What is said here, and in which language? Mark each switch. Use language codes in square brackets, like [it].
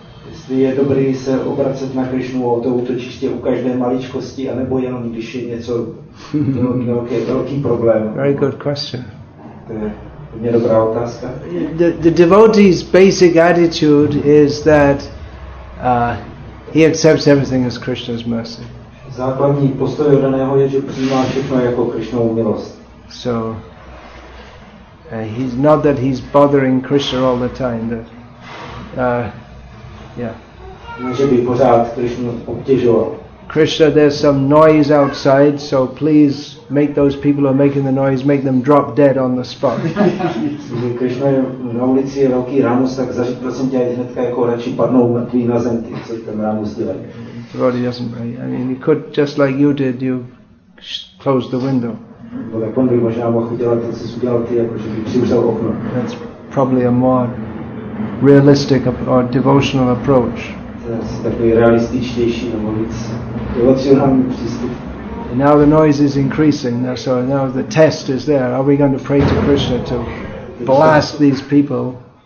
[cs] Jestli je dobré se obracet na Krishnu o to útočiště u každé maličkosti, anebo jenom když je něco velký problém. [en] Very good question. [cs] To je dobrá otázka. [en] The devotee's basic attitude is that he accepts everything as Krishna's mercy. [cs] Základní postoj daného je, že přijímá všechno jako Krishnovu milost. [en] So he's not that he's bothering Krishna all the time, that [cs] Že by pořád Krishna obtěžoval. [en] Krishna, there's some noise outside, so please make those people who are making the noise, make them drop dead on the spot. [cs] Krishna, na ulici je velký ránus, tak zařiď, prosím tě, hnedka jako radši padnou mrtví na zem, ty, co ten ránus dělají. [en] Devotee doesn't pray. I mean, you could, just like you did, you close the window. [cs] No, tak on by možná mohl dělat, co jsi udělal ty, jakože by přivřel okno. [en] That's probably a more realistic or devotional approach. And now the noise is increasing, so now the test is there. Are we going to pray to Krishna to blast these people?